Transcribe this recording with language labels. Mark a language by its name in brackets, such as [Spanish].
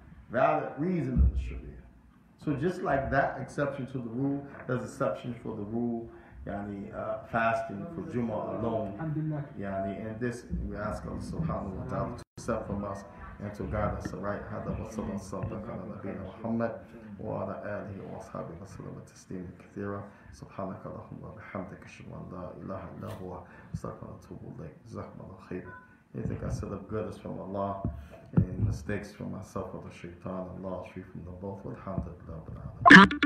[English] Valid reason in the Sharia. So just like that exception to the rule, there's exception for the rule, fasting for Jumu'ah alone. And this, we ask Allah subhanahu wa ta'ala to accept from us and to guide us right. [Arabic] Hadha wa sallam sallam ala nabiyyina Muhammad. وعلى آله وأصحابه وسلم تسليما كثيرا سبحانك اللهم وبحمدك أشهد أن لا إله إلا هو أستغفرك وأتوب إليك جزاكم الله خيرا. [English] You think I said the goodness from Allah and mistakes from myself or the shaitan, Allah is free from them both. Alhamdulillah.